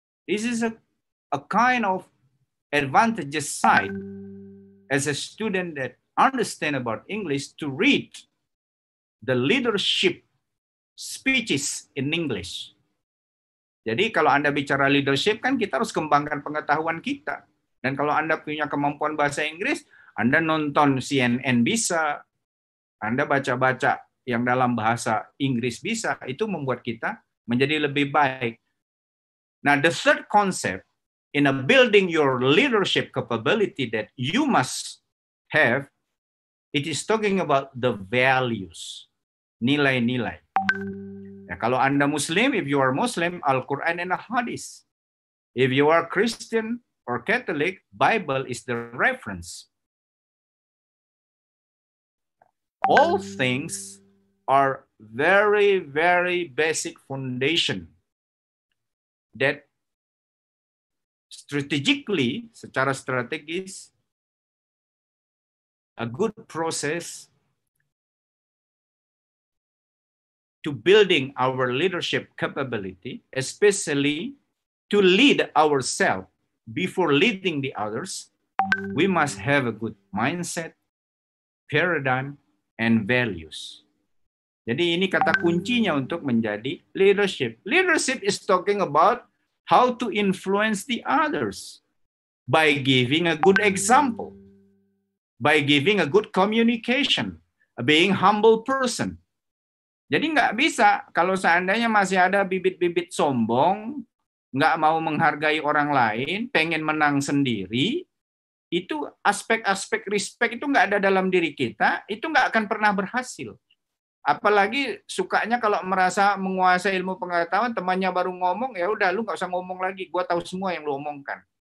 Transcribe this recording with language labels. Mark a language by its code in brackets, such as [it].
[en] This is a kind of advantageous side as a student that understand about English to read the leadership speeches in English. [id] Jadi kalau Anda bicara leadership kan kita harus kembangkan pengetahuan kita. Dan kalau Anda punya kemampuan bahasa Inggris, Anda nonton CNN bisa, Anda baca-baca yang dalam bahasa Inggris bisa, itu membuat kita menjadi lebih baik. [en] Nah, the third concept in a building your leadership capability that you must have, it is talking about the values, [id] nilai-nilai. Ya, kalau Anda Muslim, [en] if you are Muslim, Al-Quran and Hadith. If you are Christian or Catholic, Bible is the reference. All things are very, very basic foundation that strategically, [id] secara strategis, [en] a good process to building our leadership capability, especially to lead ourselves before leading the others, we must have a good mindset, paradigm, and values. [id] Jadi ini kata kuncinya untuk menjadi leadership. [en] Leadership is talking about how to influence the others by giving a good example, by giving a good communication, being humble person. [id] Jadi nggak bisa kalau seandainya masih ada bibit-bibit sombong, nggak mau menghargai orang lain, pengen menang sendiri, itu aspek-aspek respect itu nggak ada dalam diri kita, itu nggak akan pernah berhasil. Apalagi sukanya kalau merasa menguasai ilmu pengetahuan, temannya baru ngomong, ya udah lu nggak usah ngomong lagi, gua tahu semua yang lu omongkan.